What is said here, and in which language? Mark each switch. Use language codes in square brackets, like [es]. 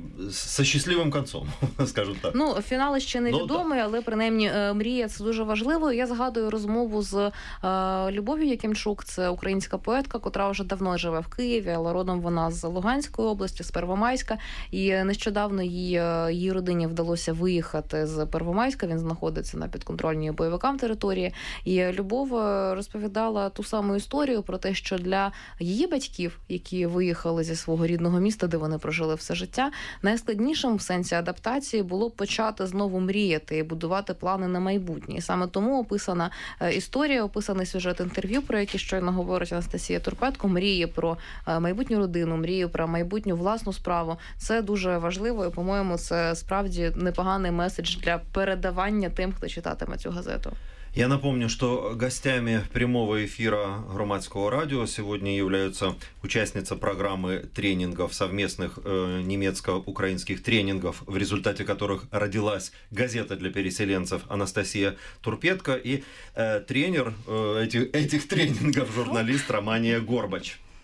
[ru] Со счастливым концом, скажем так. [uk] Ну, фінал ще не відомий, але принаймні мрія це дуже важливо. Я згадую розмову з Любов'ю Якимчук, це українська поетка, котра вже давно живе в Києві, але родом вона з Луганської області, з Первомайська. І нещодавно її родині вдалося виїхати з Первомайська. Він знаходиться на підконтрольній бойовикам території. І Любов розповідала ту саму історію про те, що для її батьків, які виїхали зі свого рідного міста, де вони прожили все життя, найскладнішим в сенсі адаптації було почати знову мріяти і будувати плани на майбутнє. І саме тому описана історія, описаний сюжет інтерв'ю, про який щойно говорить Анастасія Турпетко, мріє про майбутню родину, мріє про майбутню власну справу. Це дуже важливо і, по-моєму, це справді непоганий меседж для передавання тим, хто читатиме цю газету. [ru] Я напомню, что гостями прямого эфира Громадского радио сегодня являются участница программы тренингов, совместных немецко-украинских тренингов, в результате которых родилась газета для переселенцев Анастасия Турпетко и тренер этих тренингов, журналист Романия Горбач.